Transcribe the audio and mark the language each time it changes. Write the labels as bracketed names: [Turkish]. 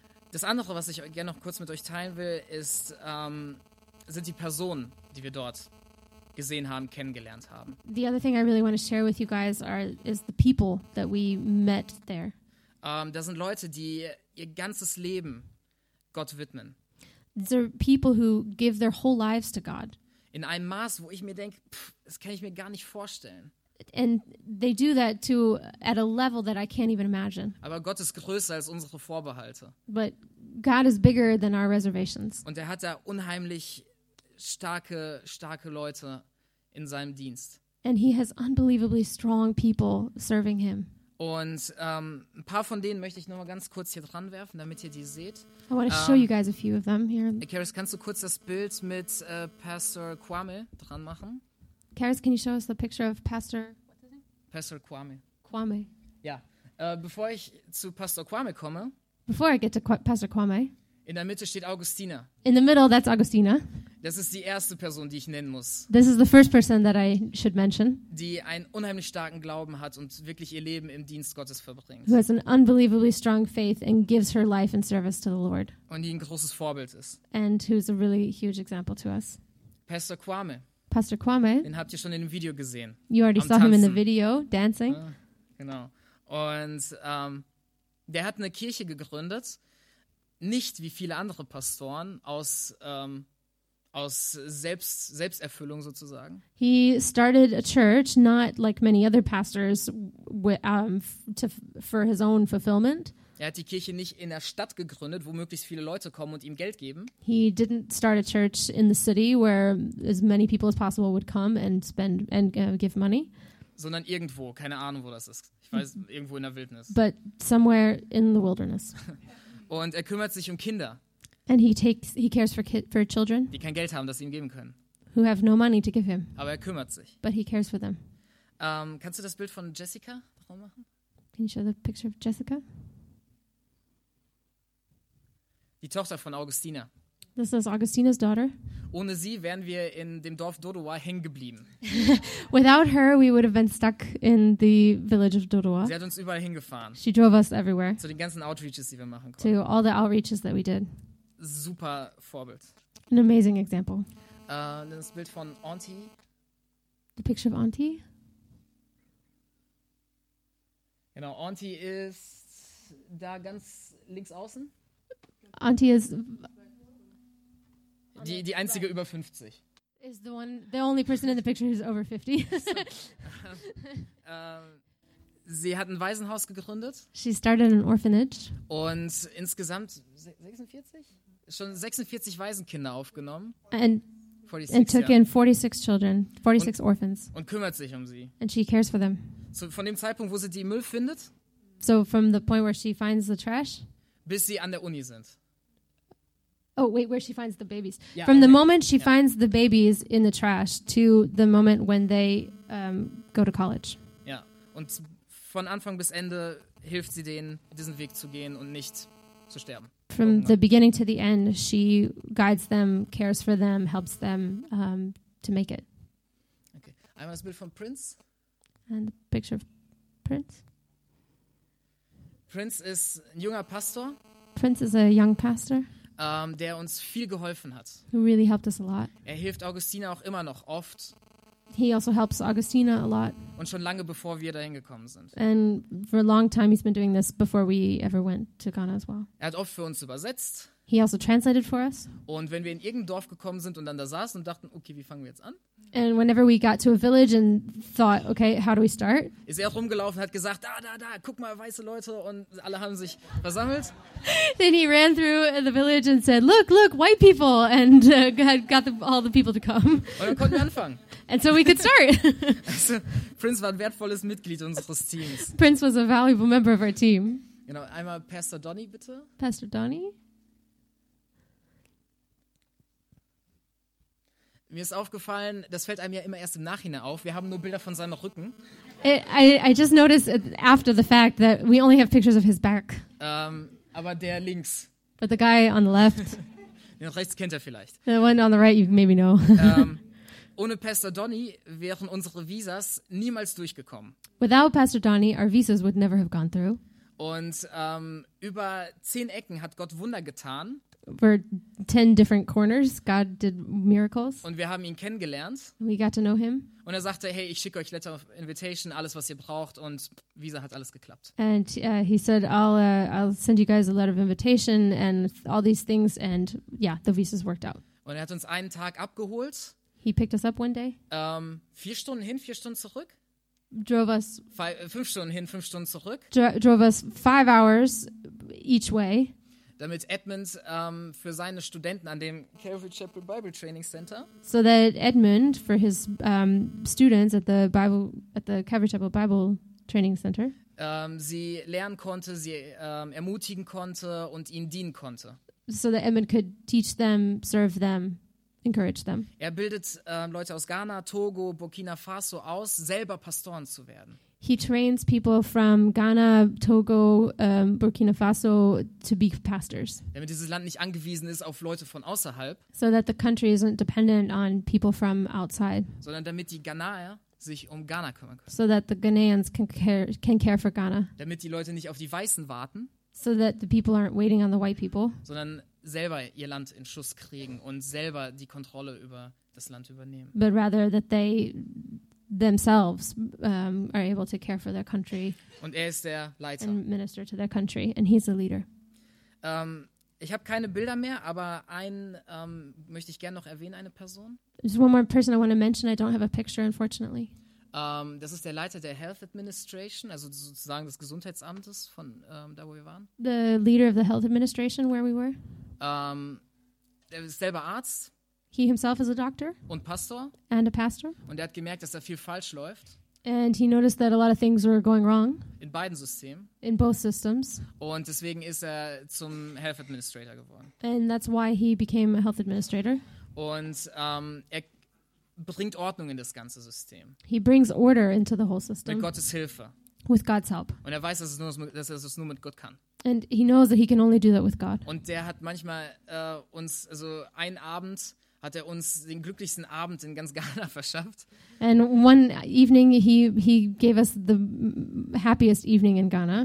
[German] Das andere, was ich gerne noch kurz mit euch teilen will, ist sind die Personen, die wir dort gesehen haben, kennengelernt haben. [English] The other thing I really want to share with you guys is the people that we met there. [German] Da sind Leute, die ihr ganzes Leben Gott widmen. [English] These are people who give their whole lives to God. [German] In einem Maß, wo ich mir denke, das kann ich mir gar nicht vorstellen. [English] And they do that at a level that I can't even imagine. [German] Aber Gott ist größer als unsere Vorbehalte. [English] But God is bigger than our reservations. [German] Und er hat da unheimlich starke Leute in seinem Dienst. [English] And he has unbelievably strong people serving him. [German] Und ein paar von denen möchte ich nochmal ganz kurz hier dran werfen, damit ihr die seht. [English] I want to show you guys a few of them here. [German] Karis, kannst du kurz das Bild mit Pastor Kwame dran machen? [English] Karis, can you show us the picture of Pastor... [German] Pastor Kwame. [English] Kwame. [German] Ja. Bevor ich zu Pastor Kwame komme... [English] Before I get to Pastor Kwame... [German] In der Mitte steht Augustina. [English] In the middle, that's Augustina. [German] Das ist die erste Person, die ich nennen muss. [English] This is the first person that I should mention. [German] Die einen unheimlich starken Glauben hat und wirklich ihr Leben im Dienst Gottes verbringt. [English] Who has an unbelievably strong faith and gives her life in service to the Lord. [German] Und die ein großes Vorbild ist. [English] And who's a really huge example to us. [German] Pastor Kwame. [English] Pastor Kwame. [German] Den habt ihr schon in dem Video gesehen. [English] You already saw him in the video, dancing. [German] Ah, genau. Und der hat eine Kirche gegründet. Nicht wie viele andere Pastoren aus Selbsterfüllung sozusagen. [English] He started a church, not like many other pastors, for his own fulfillment. [German] Er hat die Kirche nicht in der Stadt gegründet, wo möglichst viele Leute kommen und ihm Geld geben. [English] He didn't start a church in the city where as many people as possible would come and spend and give money. [German] Sondern irgendwo, keine Ahnung, wo das ist. Ich weiß, irgendwo in der Wildnis. [English] But somewhere in the wilderness. [German] Und er kümmert sich um Kinder. [English] And he cares for children. [German] Die kein Geld haben, das sie ihm geben können. [English] Who have no money to give him. [German] Aber er kümmert sich. [English] But he cares for them. [German] Kannst du das Bild von Jessica drauf machen? [English] Can you show the picture of Jessica? [German] Die Tochter von Augustina. [English] This is Augustina's daughter. [German] Ohne sie wären wir in dem Dorf Dodowa hängen geblieben. [English] Without her, we would have been stuck in the village of Dodowa. [German] Sie hat uns überall hingefahren. [English] She drove us everywhere. [German] Zu den ganzen Outreaches, die wir machen konnten. [English] To all the outreaches that we did. [German] Super Vorbild. [English] An amazing example. [German] Dann das Bild von Auntie. [English] The picture of Auntie. [German] Genau, Auntie ist da ganz links außen. Auntie ist... Die einzige über 50. [English] Is the only person in the picture who's over 50. [German] sie hat ein Waisenhaus gegründet. [English] She started an orphanage. [German] Und insgesamt 46? Schon 46 Waisenkinder aufgenommen. [English] And took in 46 children, 46 orphans. [German] Und kümmert sich um sie. [English] And she cares for them. [German] So von dem Zeitpunkt, wo sie die Müll findet. [English] So from the point where she finds the trash. [German] Bis sie an der Uni sind. [English] Oh, wait, where she finds the babies. Yeah, from the moment she finds the babies in the trash to the moment when they go to college. [German] Ja, und von Anfang bis Ende hilft sie denen, diesen Weg zu gehen und nicht zu sterben. [English] From the beginning to the end, she guides them, cares for them, helps them to make it. [German] Okay. Einmal das Bild von Prince. [English] And the picture of Prince. [German] Prince ist ein junger Pastor. [English] Prince is a young pastor. [German] Der uns viel geholfen hat. [English] Who really helped us a lot. [German] Er hilft Augustina auch immer noch oft. [English] He also helps Augustina a lot. [German] Und schon lange bevor wir dahin gekommen sind. [English] And for a long time he's been doing this before we ever went to Ghana as well. [German] Er hat oft für uns übersetzt. [English] He also translated for us. [German] Und wenn wir in irgendein Dorf gekommen sind und dann da saßen und dachten, okay, wie fangen wir jetzt an? [English] And whenever we got to a village and thought, okay, how do we start? [German] Ist er rumgelaufen, hat gesagt, da, guck mal, weiße Leute, und alle haben sich versammelt. [English] Then he ran through the village and said, look, white people, and all the people to come. [German] Und dann konnten wir anfangen. [English] And so we could start. [German] Also, Prince war ein wertvolles Mitglied unseres Teams. [English] Prince was a valuable member of our team. [German] Genau, einmal Pastor Donnie, bitte. [English] Pastor Donnie. [German] Mir ist aufgefallen, das fällt einem ja immer erst im Nachhinein auf. Wir haben nur Bilder von seinem Rücken. [English] I just noticed after the fact that we only have pictures of his back. [German] Aber der links. [English] But the guy on the left. [German] Den rechts kennt er vielleicht. [English] The one on the right you maybe know. [German] Ohne Pastor Donny wären unsere Visas niemals durchgekommen. [English] Without Pastor Donny, our visas would never have gone through. [German] Und über 10 Ecken hat Gott Wunder getan. [English] Were 10 different corners. God did miracles. [German] Und wir haben ihn kennengelernt. [English] We got to know him. [German] Und er sagte, hey, ich schicke euch [English] Letter of Invitation, [German] alles, was ihr braucht, und Visa hat alles geklappt. [English] And he said, I'll send you guys a letter of invitation and all these things, and yeah, the visas worked out. [German] Und er hat uns einen Tag abgeholt. [English] He picked us up one day. [German] 4 Stunden hin, 4 Stunden zurück. [English] Drove us [German] 5 Stunden hin, 5 Stunden zurück. [English] Drove us 5 hours each way. [German] Damit Edmund für seine Studenten an dem Calvary Chapel Bible Training Center. [English] So that Edmund for his students at the Bible at the Calvary Chapel Bible Training Center. [German] Sie lernen konnte, sie ermutigen konnte und ihnen dienen konnte. [English] So that Edmund could teach them, serve them, encourage them. [German] Er bildet Leute aus Ghana, Togo, Burkina Faso aus, selber Pastoren zu werden. [English] He trains people from Ghana, Togo, Burkina Faso to be pastors. [German] Damit dieses Land nicht angewiesen ist auf Leute von außerhalb. [English] So that the country isn't dependent on people from outside. [German] Sondern damit die Ghanaer sich um Ghana kümmern können. [English] So that the Ghanaians can care for Ghana. [German] Damit die Leute nicht auf die Weißen warten. [English] So that the people aren't waiting on the white people. [German] Sondern selber ihr Land in Schuss kriegen und selber die Kontrolle über das Land übernehmen. [English] But rather that they themselves are able to care for their country. [German] Und er ist der Leiter. [English] And minister to their country, and he's the leader. [German] Ich habe keine Bilder mehr, aber einen möchte ich gerne noch erwähnen, eine Person. [English] There's one more person I want to mention. I don't have a picture, unfortunately. [German] Das ist der Leiter der Health Administration, also sozusagen des Gesundheitsamtes von da, wo wir waren. [English] The leader of the Health Administration, where we were. [German] Er ist selber Arzt. [English] He himself is a doctor. [German] Und Pastor. [English] And a pastor. [German] Und er hat gemerkt, dass da viel falsch läuft. [English] And he noticed that a lot of things were going wrong. [German] In beiden Systemen. [English] In both systems. [German] Und deswegen ist er zum Health Administrator geworden. [English] And that's why he became a health administrator. [German] Und er bringt Ordnung in das ganze System. [English] He brings order into the whole system. [German] Mit Gottes Hilfe. [English] With God's help. [German] Und er weiß, dass er es nur mit Gott kann. [English] And he knows that he can only do that with God. [German] Und der hat manchmal uns, also einen Abend hat er uns den glücklichsten Abend in ganz Ghana verschafft. [English] And one evening he gave us the happiest evening in Ghana.